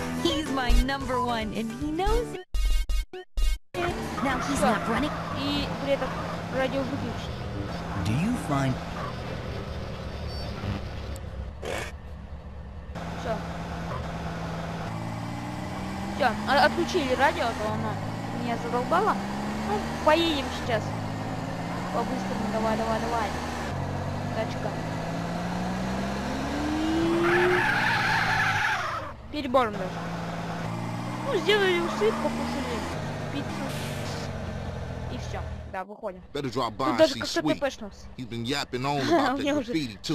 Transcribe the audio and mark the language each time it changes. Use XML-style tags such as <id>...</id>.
<en>He's my number one, and he knows... Now he's not running.</en> <ru>И при этом радио выключить.</ru> <en>Do you find...</en> <ru>Все. Все, отключили радио, а то оно меня задолбало. Ну, поедем сейчас. По-быстрому, давай. Тачка. Перебором даже. Ну, сделали усы, покушали пиццу. И все. Да, выходим.</ru> <en>Better drop by,</en> <ru>тут даже как-то ппшнулся.</ru> <en>You've been yapping on about the graffiti, too.</en>